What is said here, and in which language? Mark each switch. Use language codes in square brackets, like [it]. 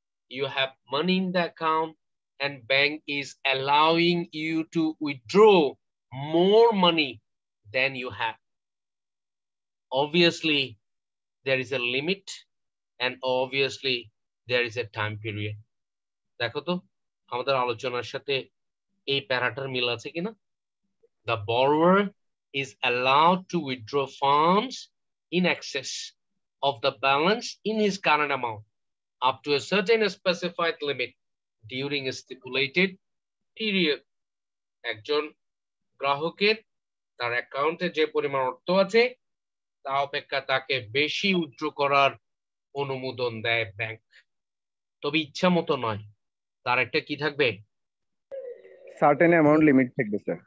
[en] You have money in the account and bank is allowing you to withdraw more money than you have. Obviously, there is a limit and obviously there is a time period. [bn] দেখো তো আমাদের আলোচনার সাথে এই প্যারাটার মিল আছে কি না? [en] The borrower is allowed to withdraw funds in excess of the balance in his current amount up to a certain specified limit during a stipulated period. [bn] একজন গ্রাহকের তার অ্যাকাউন্টে যে পরিমাণ অর্থ আছে তা অপেক্ষা তাকে বেশি উইথড্র করার অনুমোদন দেয় ব্যাংক, তবে ইচ্ছা মতো নয়। তার একটা কি থাকবে? সার্টেন অ্যামাউন্ট লিমিট থাকবে স্যার।